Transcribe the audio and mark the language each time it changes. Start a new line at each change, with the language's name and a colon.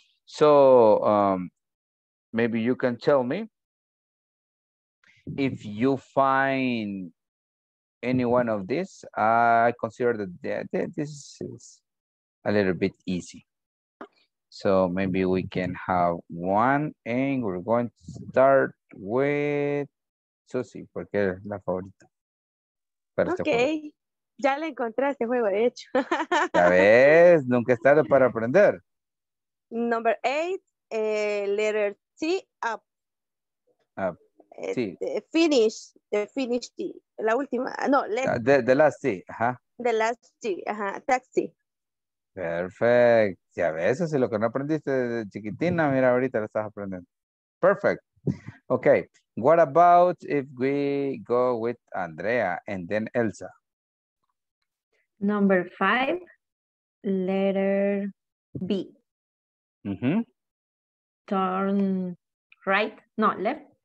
English: So, maybe you can tell me if you find any one of these, I consider that this is a little bit easy. So maybe we can have one, and we're going to start with Susie,
Spanish: porque es la favorita. Para okay, este ya le encontré este juego hecho. Ya ves, nunca es tarde para aprender.
English: Number 8, letter T, up. Up. Sí.
Spanish: Finish T, la última, no,
English: the last T, ajá. The last T, ajá, taxi.
Spanish: Perfect, ya ves, eso es lo que no aprendiste desde chiquitina, mira, ahorita lo estás aprendiendo.
English: Perfect, okay, what about if we go with Andrea and then Elsa? Number 5, letter B. Mm-hmm. Turn right, no, left.